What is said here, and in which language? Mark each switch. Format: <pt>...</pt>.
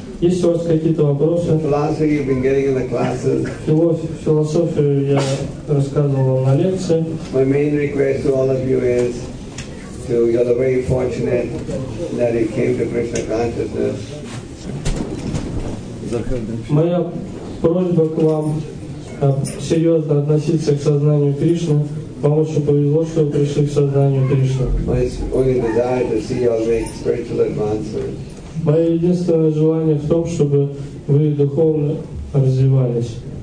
<ru>Есть у вас какие-то вопросы?</ru> <en>Philosophy you've been getting in the classes.</en> <ru>Философию я рассказывал на лекции.</ru> <en>My main request to all of you is to, you're very fortunate that you came to Krishna consciousness.</en> <ru>Моя просьба к вам серьезно относиться к сознанию Кришны. Вам очень повезло, что вы пришли к сознанию Кришны. Мое единственное желание в том, чтобы вы духовно развивались.</ru>